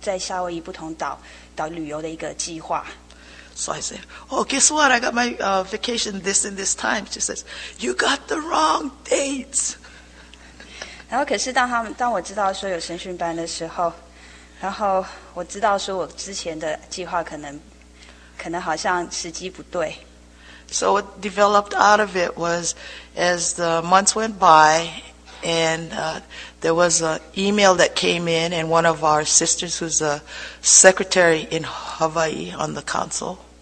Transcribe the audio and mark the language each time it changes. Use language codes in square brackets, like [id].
[zh] 实际上我在一年半之前呢，就已经在工作的场所跟同事一同加入一个就是关于在夏威夷不同岛旅游的一个计划。 [en] So I said, oh, guess what? I got my vacation this and this time. She says, you got the wrong dates. [zh] 然后可是当我知道说有神训班的时候，然后我知道说我之前的计划可能好像时机不对。 [en] So what developed out of it was as the months went by and there was an email that came in and one of our sisters who's a secretary in Hawaii on the council.